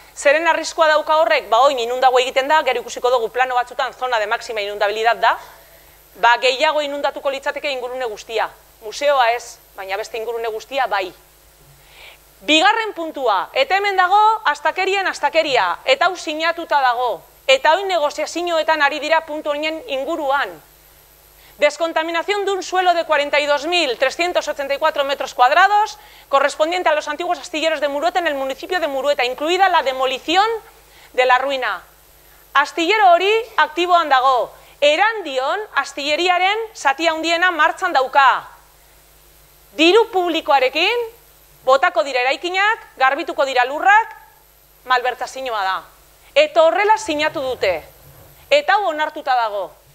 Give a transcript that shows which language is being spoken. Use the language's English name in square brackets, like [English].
[Basque] Zeren arriskoa dauka horrek, oin inundago egiten da, gero ikusiko dugu plano batzutan [Spanish] zona de máxima inundabilidad [Basque] da, gehiago inundatuko litzateke ingurune guztia. Museoa ez, baina beste ingurune guztia bai. Bigarren puntua, eta hemen dago, astakerien astakeria, eta hau sinatuta dago, eta hau negoziazioetan ari dira puntu honen inguruan. [Spanish] Descontaminación de un suelo de 42.384 metros cuadrados correspondiente a los antiguos astilleros de Murueta en el municipio de Murueta, incluida la demolición de la ruina. [Basque] Astillero hori aktiboan dago. Erandion, astilleriaren zati handiena martxan dauka. Diru publikoarekin, botako dira eraikinak, garbituko dira lurrak, malbertazioa da. Eta horrela sinatu dute. Eta hau onartuta dago.